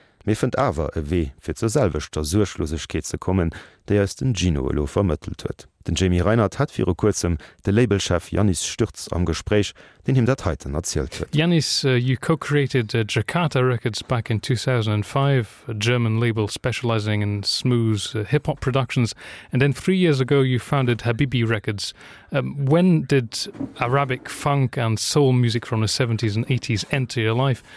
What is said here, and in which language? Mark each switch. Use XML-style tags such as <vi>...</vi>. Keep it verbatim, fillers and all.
<lb>Mei fënnt awer e wee fir zur selwechter Suerchlosegkeet ze kommen, déi aus den Gino elo vermëttelt huet. Den Jamie Reinhardt hat vir kurzem de Labelchef Yannis Stürz am Gespräch, den him dat heiten erzielt huet.</lb> <en>Yannis, uh, you co-created uh, Jakarta Records back in two thousand five, a German label specializing in smooth uh, hip-hop productions, and then three years ago you founded Habibi Records. Um, when did Arabic funk and soul music from the seventies and eighties enter your life?</en>